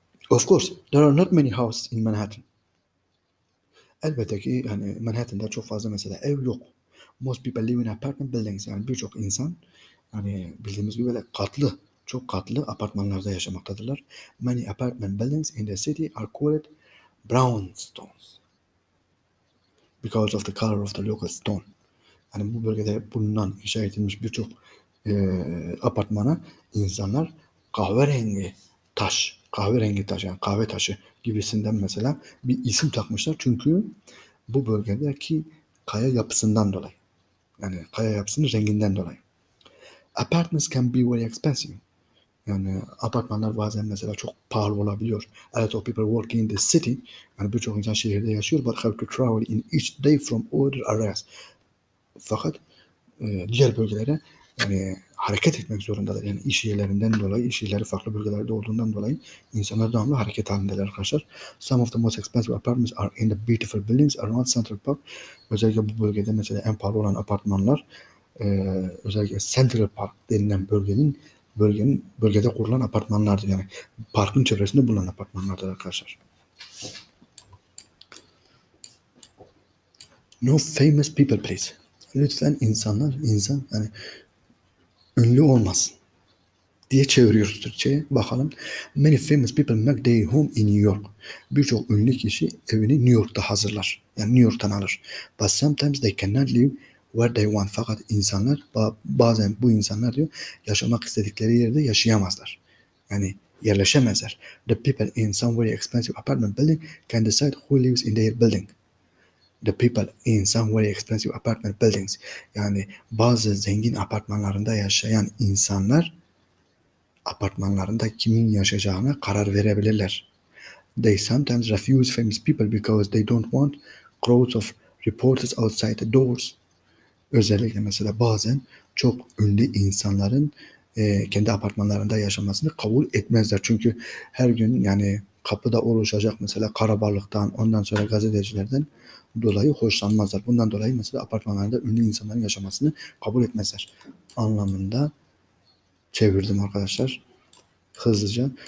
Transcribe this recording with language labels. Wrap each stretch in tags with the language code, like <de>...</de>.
<en>Of course, there are not many houses in Manhattan.</en> <tr>Elbette ki yani Manhattan'da çok fazla mesela ev yok.</tr> <en>Most people live in apartment buildings.</en> <tr>Yani birçok insan hani bildiğimiz gibi böyle katlı, çok katlı apartmanlarda yaşamaktadırlar.</tr> <en>Many apartment buildings in the city are called brownstones. because of the color of the local stone.</en> <tr>Yani bu bölgede bulunan inşa edilmiş birçok apartmana insanlar kahverengi taş, kahverengi taş yani kahve taşı gibisinden mesela bir isim takmışlar. Çünkü bu bölgedeki kaya yapısından dolayı. Yani kaya yapısının renginden dolayı.</tr> <en>Apartments can be very expensive.</en> <tr>Yani apartmanlar bazen mesela çok pahalı olabiliyor.</tr> <en>A lot of people work in the city.</en> <tr>Yani birçok insan şehirde yaşıyor.</tr> <en>But have to travel in each day from other areas.</en> <tr>Fakat diğer bölgelere yani hareket etmek zorundalar. Yani iş yerlerinden dolayı, iş yerleri farklı bölgelerde olduğundan dolayı insanlar devamlı hareket halindeler arkadaşlar.</tr> <en>Some of the most expensive apartments are in the beautiful buildings around Central Park.</en> <tr>Özellikle bu bölgede mesela en pahalı olan apartmanlar özellikle Central Park denilen bölgede kurulan apartmanlardır. Yani parkın çevresinde bulunan apartmanlardır arkadaşlar.</tr> <en>No famous people please.</en> <tr>Lütfen insan yani ünlü olmasın diye çeviriyoruz Türkçe'ye. Bakalım.</tr> <en>Many famous people make their home in New York.</en> <tr>Birçok ünlü kişi evini New York'ta hazırlar. Yani New York'tan alır.</tr> <en>But sometimes they cannot live where they want.</en> <tr>Fakat insanlar, bazen bu insanlar diyor, yaşamak istedikleri yerde yaşayamazlar. Yani yerleşemezler.</tr> <en>The people in some very expensive apartment building can decide who lives in their building. The people in some very expensive apartment buildings.</en> <tr>Yani bazı zengin apartmanlarında yaşayan insanlar apartmanlarında kimin yaşayacağına karar verebilirler.</tr> <en>They sometimes refuse famous people because they don't want crowds of reporters outside the doors.</en> <tr>Özellikle mesela bazen çok ünlü insanların kendi apartmanlarında yaşamasını kabul etmezler. Çünkü her gün yani kapıda oluşacak mesela karabalıktan, ondan sonra gazetecilerden dolayı hoşlanmazlar. Bundan dolayı mesela apartmanlarda ünlü insanların yaşamasını kabul etmezler anlamında çevirdim arkadaşlar hızlıca.</tr>